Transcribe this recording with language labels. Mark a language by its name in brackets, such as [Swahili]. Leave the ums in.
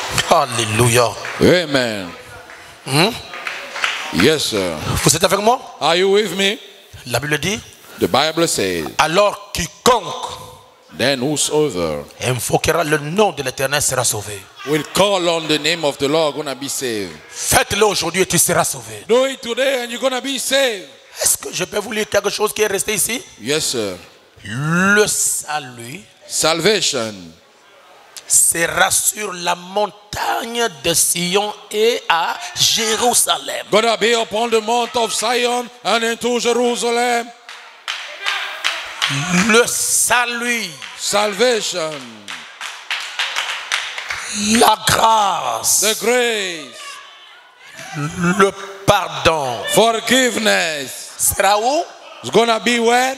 [English] Alléluia. Amen. Hmm? Yes, sir. [French] Vous êtes avec moi? [English] Are you with me? [French] La Bible dit. [English] The Bible says. [French] Alors quiconque. [English] Then whosoever. [French] Invoquera le nom de l'Éternel sera sauvé. [English] Will call on the name of the Lord gonna be saved. [French] Faites-le aujourd'hui et tu seras sauvé. [English] Do it today and you're gonna be saved. [French] Est-ce que je peux vous lire quelque chose qui est resté ici? [English] Yes, sir. [French] Le salut. Salvation sera sur la montagne de Sion et à Jérusalem. [English] Gonna be upon the mount of Sion and into Jerusalem. [French] Le salut. Salvation. La grâce. The grace. Le pardon. Forgiveness. Sera où? [English] It's gonna be where?